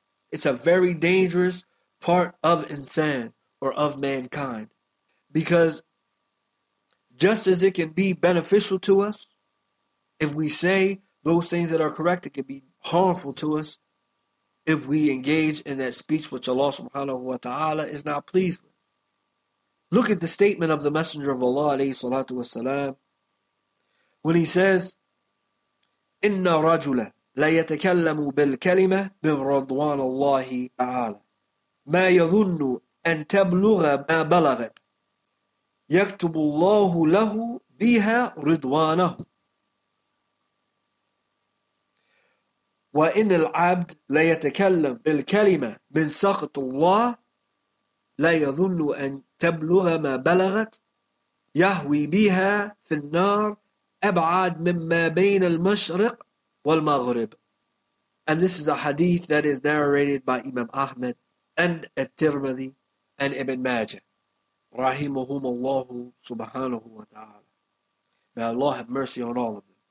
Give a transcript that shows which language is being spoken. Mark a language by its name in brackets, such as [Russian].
[English] It's a very dangerous part of insan or of mankind, because just as it can be beneficial to us, if we say those things that are correct, it can be harmful to us if we engage in that speech which Allah subhanahu wa ta'ala is not pleased with. Look at the statement of the Messenger of Allah alayhi salatu wasalam, when he says, [Arabic] "Inna rajula لا يتكلم بالكلمة من رضوان الله تعالى ما يظن أن تبلغ ما بلغت يكتب الله له بها رضوانه وإن العبد لا يتكلم بالكلمة من سخط الله لا يظن أن تبلغ ما بلغت يهوي بها في النار أبعد مما بين المشرق." [English] And this is a hadith that is narrated by Imam Ahmad and At-Tirmidhi and Ibn Majah, rahimahum Allahu subhanahu wa ta'ala. May Allah have mercy on all of them.